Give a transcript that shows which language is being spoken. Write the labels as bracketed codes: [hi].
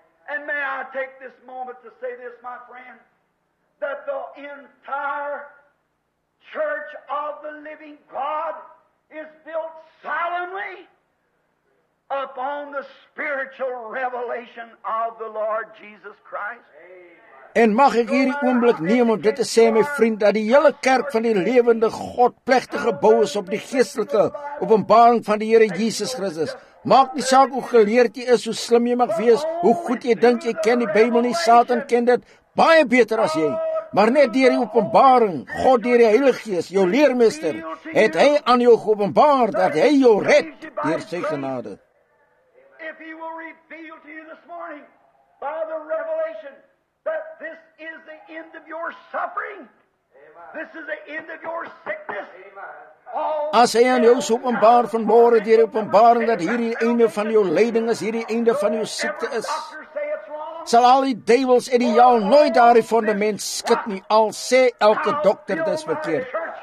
[en] And may I take this moment to say this my friend. That the entire church of the living God is built solemnly upon the spiritual revelation of the Lord Jesus Christ. [af] En mag ek hierdie oomblik neem om dit te sê, my vriend, dat die hele kerk van die lewende God plegtig gebou is op die geestelike openbaring van die Here Jesus Christus. Maak nie saak hoe geleerd jy is, hoe slim jy mag wees, hoe goed jy dink jy ken die Bybel nie, Satan ken dit baie beter as jy. Maar net deur die openbaring, God deur die Heilige Gees, jou leermeester, het hy aan jou geopenbaar dat hy jou red deur sy genade. [en] If he will reveal to you this morning by the revelation that this is the end of your suffering. This is the end of your sickness. [af] As hy aan jou so openbaar vanmôre deur die openbaring dat hier die einde van jou lyding is, hier die einde van jou siekte is. Sal al die duivels en die jaal nooit daardie fondament skud nie, al sê elke dokter dis verkeerd.